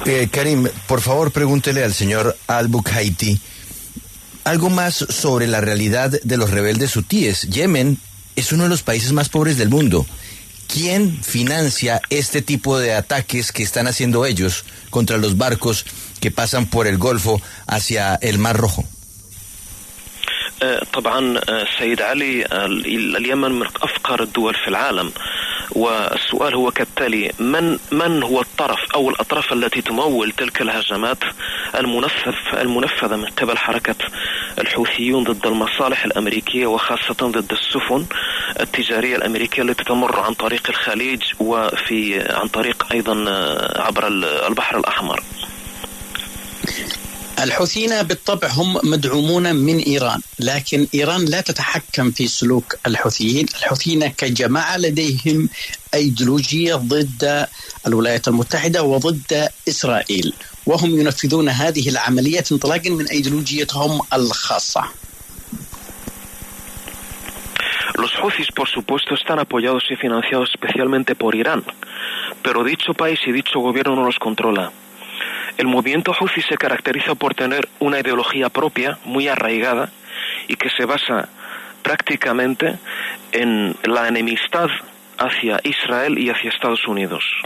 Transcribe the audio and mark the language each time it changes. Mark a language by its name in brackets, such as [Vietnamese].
[Spanish] Karim, por favor pregúntele al señor Al-Bukhaiti algo más sobre la realidad de los rebeldes hutíes. Yemen es uno de los países más pobres del mundo. ¿Quién financia este tipo de ataques que están haciendo ellos contra los barcos que pasan por el Golfo hacia el Mar Rojo? [Arabic] طبعا سيد علي اليمن من افقر الدول في العالم والسؤال هو كالتالي من هو الطرف او الاطراف التي تمول تلك الهجمات المنفذة من قبل حركة الحوثيون ضد المصالح الامريكية وخاصة ضد السفن التجارية الامريكية التي تمر عن طريق الخليج وفي عن طريق ايضا عبر البحر الاحمر. الحوثيين بالطبع هم مدعومون من إيران، لكن إيران لا تتحكم في سلوك الحوثيين. الحوثيين كجماعة لديهم أيديولوجية ضد الولايات المتحدة وضد إسرائيل، وهم ينفذون هذه العمليات انطلاقا من أيديولوجيتهم الخاصة. [Spanish] Los Houthis, por supuesto, están apoyados y financiados especialmente por Irán, pero dicho país y dicho gobierno no los controla. El movimiento Houthi se caracteriza por tener una ideología propia, muy arraigada, y que se basa prácticamente en la enemistad hacia Israel y hacia Estados Unidos.